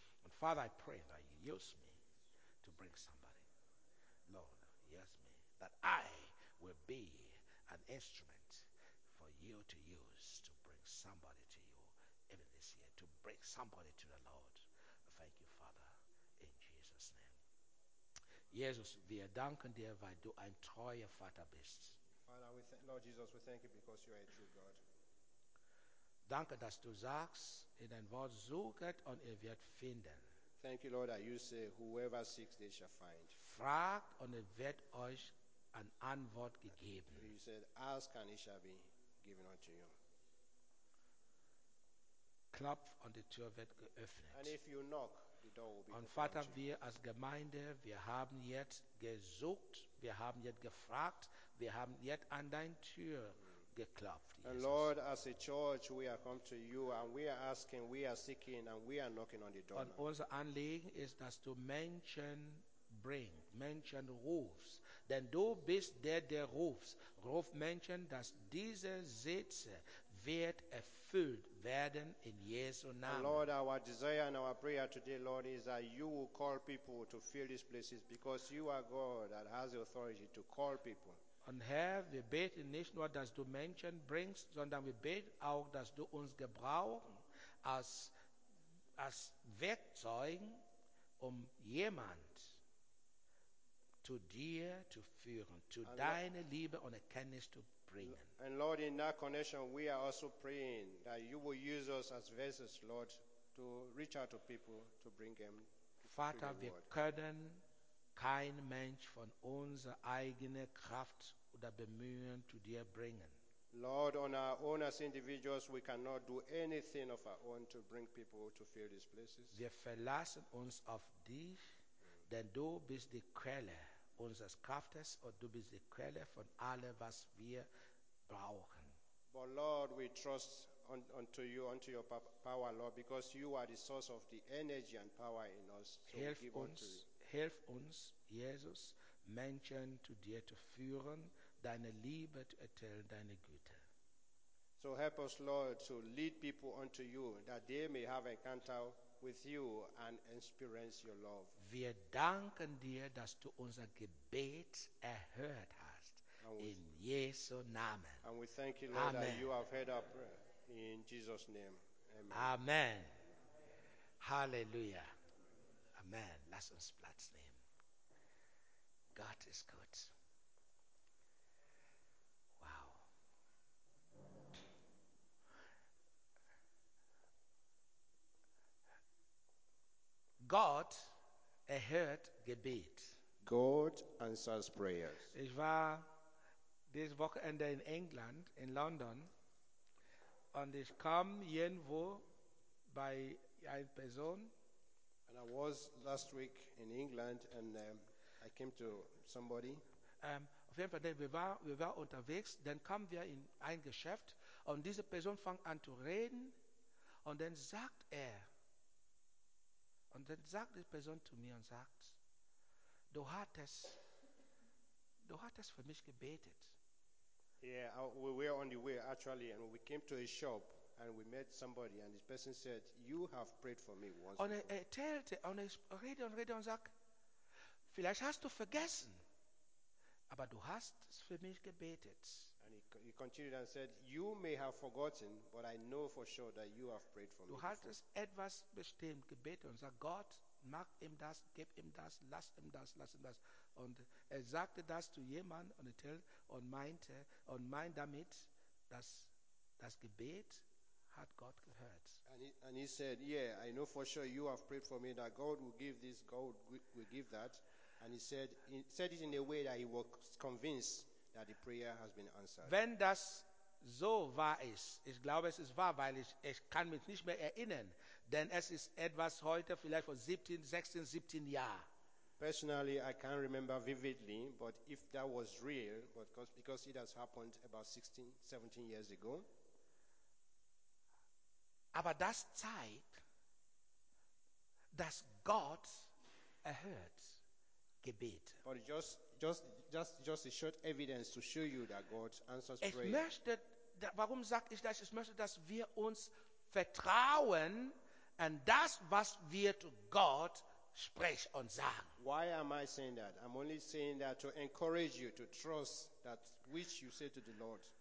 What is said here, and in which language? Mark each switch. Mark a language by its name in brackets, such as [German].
[English] And Father, I pray that you use me to bring somebody. Lord, use me that I will be an instrument for you to use to bring somebody to you even this year, to bring somebody to the Lord. Thank you, Father, in Jesus' name. [German] Jesus, wir danken dir, weil du ein treuer Vater bist. [English] Father, Lord Jesus, we thank you because you are a true God. [German] Danke, dass du sagst, in dein Wort suchet und ihr werdet finden. [English] Thank you, Lord, that you say, whoever seeks, they shall find. [German] Fragt und er wird euch eine Antwort gegeben. [English] You said, ask and it shall be given unto you. [German] Klopf und die Tür wird geöffnet. [English] And if you knock, the door will be [German] und Vater, wir als Gemeinde, wir haben jetzt gesucht, wir haben jetzt gefragt, wir haben jetzt an deine Tür geklopft. Jesus. [English] And Lord, as a church, we are come to you and we are asking, we are seeking and we are knocking on the door. [German] Und unser Anliegen ist, dass du Menschen bring, Menschen rufst. Denn du bist der, der rufst. Ruf Menschen, dass diese Sitze wird erfüllt werden in Jesu Namen. [English] And Lord, our desire and our prayer today, Lord, is that you will call people to fill these places because you are God that has the authority to call people. [German] Und Herr, wir beten nicht nur, dass du Menschen bringst, sondern wir beten auch, dass du uns gebrauchst als Werkzeugen, um jemand zu dir zu führen, zu deiner Liebe und Erkenntnis zu bringen. [English] And Lord, in that connection, we are also praying that you will use us as vessels, Lord, to reach out to people, to bring them to the [German] Vater, wir können kein Mensch von unserer eigenen Kraft oder Bemühen zu dir bringen. [English] Lord, on our own as individuals, we cannot do anything of our own to bring people to fill these places. [German] Wir verlassen uns auf dich, denn du bist die Quelle unseres Kraftes und du bist die Quelle von allem, was wir brauchen. [English] But Lord, we trust unto you, unto your power, Lord, because you are the source of the energy and power in us. [German] So hilf uns, Jesus, Menschen zu dir zu führen, deine Liebe zu erteilen, deine Güte. [English] So help us, Lord, to lead people unto you, that they may have encounter with you and experience your love. [German] Wir danken dir, dass du unser Gebet erhört hast. In Jesu Namen. [English] And we thank you, Lord, Amen. That you have heard our prayer. In Jesus' name. Amen. Amen. Hallelujah. Amen. [German] Lass uns Platz nehmen. Gott ist gut. Wow. Gott erhört Gebet. [English] God answers prayers. [German] Ich war dieses Wochenende in England, in London, und ich kam irgendwo bei einer Person. [English] And I was last week in England and I came to somebody. [German] Auf jeden Fall, wir waren unterwegs, dann kamen wir in ein Geschäft und diese Person fängt an zu reden und dann sagt er, und dann sagt die Person zu mir und sagt, du hattest für mich gebetet. [English] Yeah, we were on the way actually and we came to a shop. And we met somebody, and this person said, "You have prayed for me once." [German] Und er erzählte, und er redete und redete und sagt, "Vielleicht hast du vergessen, aber du hast für mich gebetet." [English] And he continued and said, "You may have forgotten, but I know for sure that you have prayed for [German] du [English] me." [German] Du hattest etwas bestimmt gebetet und sagt, Gott, mach ihm das, gib ihm das, lass ihm das, lass ihm das. Und er sagte das zu jemand und erzählt und meinte und meint damit, dass das Gebet hat Gott gehört. [English] And he said, yeah, I know for sure you have prayed for me that God will give this, God will give that. And he said it in a way that he was convinced that the prayer has been answered. [German] Wenn das so wahr ist, ich glaube es ist wahr, weil ich kann mich nicht mehr erinnern, denn es ist etwas heute vielleicht vor 16, 17 Jahren. [English] Personally, I can't remember vividly, but if that was real, because it has happened about 16, 17 years ago. [German] Aber das zeigt, dass Gott erhört Gebet. [English] But just a short evidence to show you that God answers prayer. [German] Ich möchte, warum sage ich das? Ich möchte, dass wir uns vertrauen an das, was wir zu Gott sprech und sag. [English] Why am I saying that? I'm only saying that to encourage you to trust that which you say to the Lord.